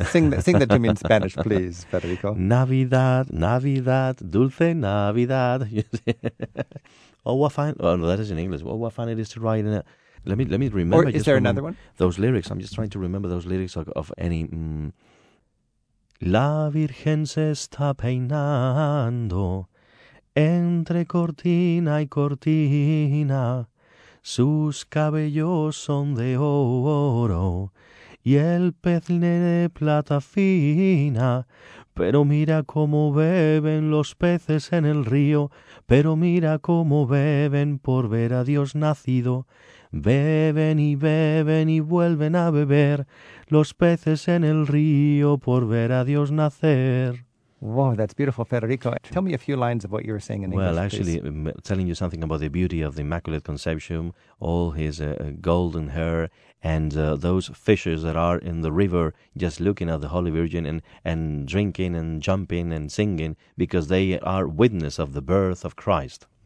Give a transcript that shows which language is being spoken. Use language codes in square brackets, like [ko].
[en] Sing that to me in Spanish, please, Federico. [es] Navidad, dulce Navidad. [en] that is in English. Oh, what fun it is to write in it. Let me remember. Or is there another one? Those lyrics. I'm just trying to remember those lyrics of any. [es] La Virgen se está peinando entre cortina y cortina. Sus cabellos son de oro y el pez de plata fina. Pero mira cómo beben los peces en el río. Pero mira cómo beben por ver a Dios nacido. Beben y beben y vuelven a beber los peces en el río por ver a Dios nacer. [en] Wow, that's beautiful, Federico. Tell me a few lines of what you were saying in English, please. Well, actually, please. Telling you something about the beauty of the Immaculate Conception, all his golden hair, and those fishes that are in the river just looking at the Holy Virgin and drinking and jumping and singing because they are witness of the birth of Christ.